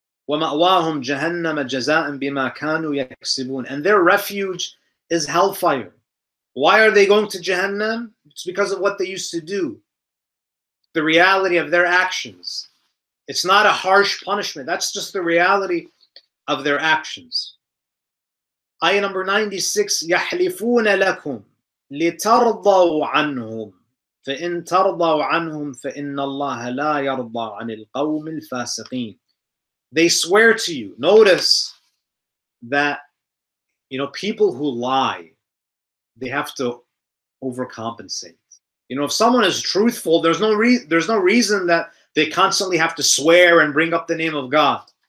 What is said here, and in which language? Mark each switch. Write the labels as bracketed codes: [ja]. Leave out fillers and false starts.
[ar] وَمَأْوَاهُمْ جَهَنَّمَ جَزَاءً بِمَا كَانُوا يَكْسِبُونَ. [en] And their refuge is hellfire. Why are they going to Jahannam? It's because of what they used to do. The reality of their actions. It's not a harsh punishment. That's just the reality of their actions. Ayah number 96, [ar] يَحْلِفُونَ لَكُمْ لِتَرْضَوْا عَنْهُمْ فَإِنْ تَرْضَوْا عَنْهُمْ فَإِنَّ اللَّهَ لَا يَرْضَى عَنِ الْقَوْمِ الْفَاسِقِينَ. [en] They swear to you. Notice that, you know, people who lie, they have to overcompensate. You know, if someone is truthful, there's no reason that they constantly have to swear and bring up the name of God.